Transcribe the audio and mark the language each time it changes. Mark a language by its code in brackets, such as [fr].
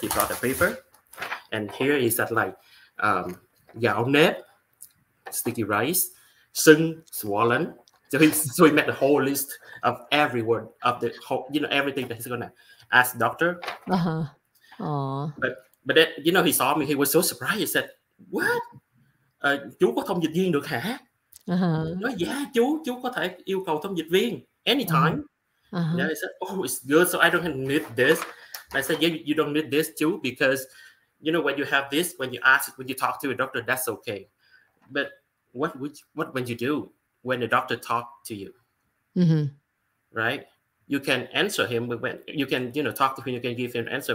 [en] He brought a paper, and here is that like gạo nếp, sticky rice, sưng, swollen. So he met the whole list of every word of the whole, you know, everything that he's gonna ask doctor. Uh huh. Aww. But then, you know, he saw me. He was so surprised. He said, "What? [vi] Chú có thông dịch viên được hả?" Nói, "Yeah, chú có thể yêu cầu thông dịch viên anytime." [en] Uh-huh. Then I said, "Oh, it's good. So I don't need this." I said, "Yeah, you don't need this too, because you know when you have this, when you ask, when you talk to a doctor, that's okay. But what when you do when the doctor talk to you, mm-hmm. right? You can answer him, but when you can, you know, talk to him, you can give him an answer.